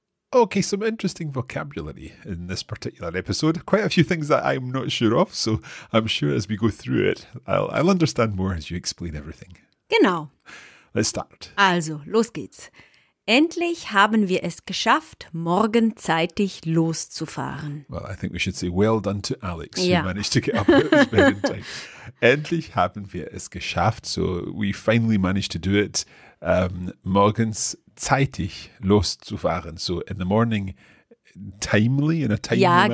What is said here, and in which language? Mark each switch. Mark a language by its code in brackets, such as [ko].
[en] Okay, some interesting vocabulary in this particular episode. Quite a few things that I'm not sure of, so I'm sure as we go through it, I'll understand more as you explain everything. [de] Genau. [en] Let's start. [de] Also, los geht's. Endlich haben wir es geschafft, morgen zeitig loszufahren. [en] Well, I think we should say well done to Alex, yeah, who managed to get up in time. [de] Endlich haben wir es geschafft. [en] So we finally managed to do it. [de] Morgens zeitig loszufahren. [en] So in the morning, timely, in a timely manner.